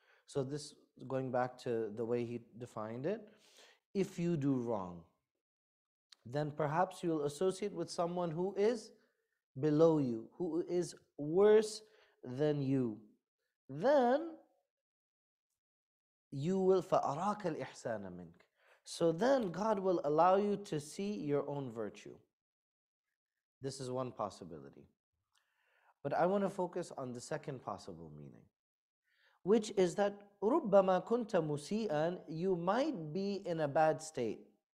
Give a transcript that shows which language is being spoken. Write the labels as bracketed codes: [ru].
[en] So this, going back to the way he defined it, if you do wrong, then perhaps you'll associate with someone who is below you, who is worse than you. Then you will [ar] فأراك الإحسان منك. [en] So then God will allow you to see your own virtue. This is one possibility. But I want to focus on the second possible meaning, which is that [ar] ربما كنت مسيئا, [en] you might be in a bad state.